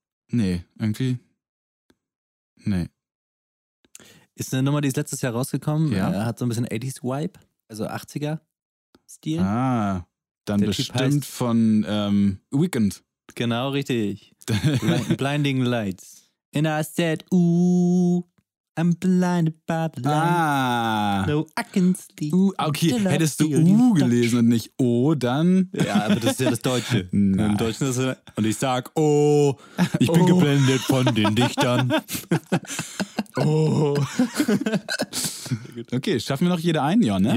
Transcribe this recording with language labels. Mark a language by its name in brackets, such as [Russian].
[German] Nee. Ist eine Nummer, die ist letztes Jahr rausgekommen. Ja. Hat so ein bisschen 80s-Vibe, also 80er-Stil. Ah, dann der bestimmt heißt, von Weekend. Genau, richtig. Blinding Lights. [English] And I said, ooh, I'm blinded by the light. Ah. No, I can sleep. [German] Ooh, okay, hättest du ooh gelesen und nicht oh, dann. Ja, aber das ist ja das Deutsche. Nein. Im Deutschen ist es, und ich sag, oh, ich bin geblendet von den Dichtern. Oh. Okay, schaffen wir noch jede ein, Jon, ne?